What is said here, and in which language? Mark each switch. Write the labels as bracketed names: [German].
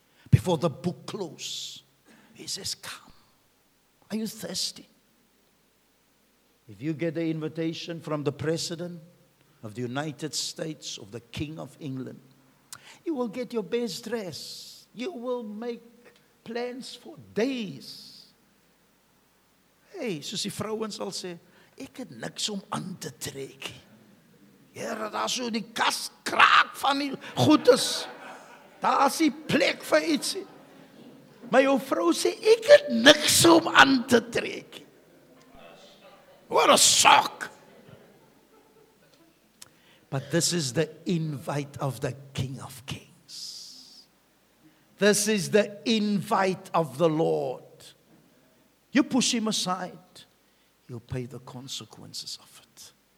[English] Before the book closes, he says, come. Are you thirsty? If you get the invitation from the President of the United States, of the King of England, you will get your best dress. You will make plans for days. [Afrikaans] Hey, soos die vrouens sal sê, ek het niks om aan te trek. Here, daar is so die kas kraak van die goedes. Daar is die plek vir iets. Maar jou vrou sê, ek het niks om aan te trek. [English] What a shock. But this is the invite of the King of Kings. This is the invite of the Lord. You push him aside, you'll pay the consequences of it.